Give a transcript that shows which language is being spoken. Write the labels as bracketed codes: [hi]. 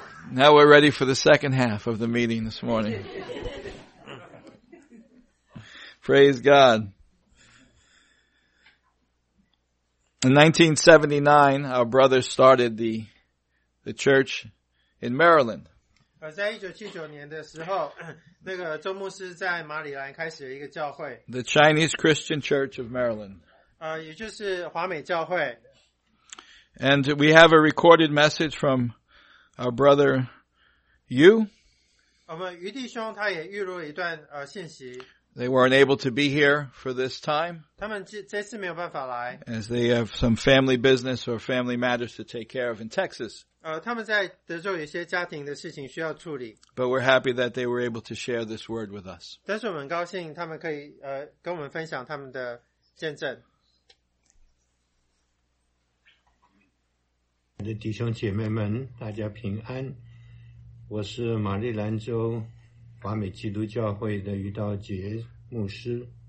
[en] Now we're ready for the second half of the meeting this morning. Praise God. In 1979, our brother started the church in Maryland. [zh] 在1979年的时候, 那个周牧师在马里兰开始了一个教会, [en] the Chinese Christian Church of Maryland. [zh] 也就是华美教会. [en] And we have a recorded message from our brother Yu. [zh] 我们余弟兄他也预录了一段, 信息. [en] They weren't able to be here for this time. [zh] 他们这次没有办法来, [en] as they have some family business or family matters to take care of in Texas. [zh] 他们在德州有些家庭的事情需要处理. [en] But we're happy that they were able to share this word with us. [zh] 但是我们很高兴他们可以, 跟我们分享他们的见证. 弟兄姐妹们，大家平安。我是马里兰州华美基督教会的余道杰牧师。